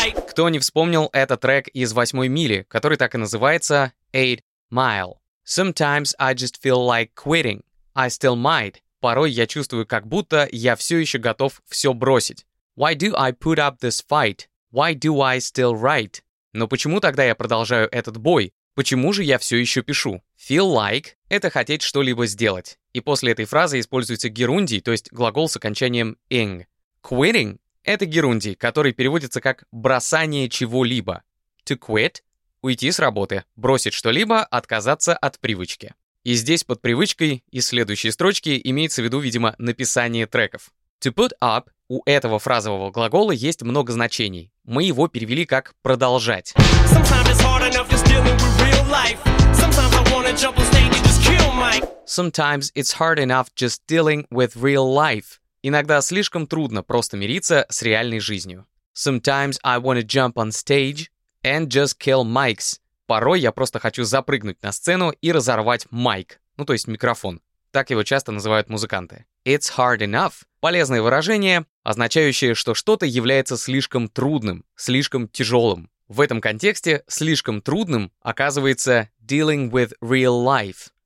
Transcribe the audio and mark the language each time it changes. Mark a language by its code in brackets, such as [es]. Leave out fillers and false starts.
[ru] Кто не вспомнил этот трек из «Восьмой мили», который так и называется «Eight Mile». [en] Sometimes I just feel like quitting. I still might. [ru] Порой я чувствую, как будто я все еще готов все бросить. [en] Why do I put up this fight? Why do I still write? [ru] Но почему тогда я продолжаю этот бой? Почему же я все еще пишу? Feel like — это хотеть что-либо сделать. И после этой фразы используется герундий, то есть глагол с окончанием ing. Quitting — это герундий, который переводится как бросание чего-либо. To quit — уйти с работы, бросить что-либо, отказаться от привычки. И здесь под привычкой из следующей строчки имеется в виду, видимо, написание треков. To put up — у этого фразового глагола есть много значений. Мы его перевели как продолжать. [en] Sometimes it's hard enough just dealing with real life. Sometimes I wanna jump on stage and just kill Mike. Sometimes it's hard enough just dealing with real life. [ru] Иногда слишком трудно просто мириться с реальной жизнью. [en] Sometimes I wanna jump on stage and just kill mics. [ru] Порой я просто хочу запрыгнуть на сцену и разорвать майк, ну то есть микрофон. Так его часто называют музыканты. [en] It's hard enough [ru] — полезное выражение, означающее, что что-то является слишком трудным, слишком тяжелым. В этом контексте слишком трудным оказывается [en] dealing with real life.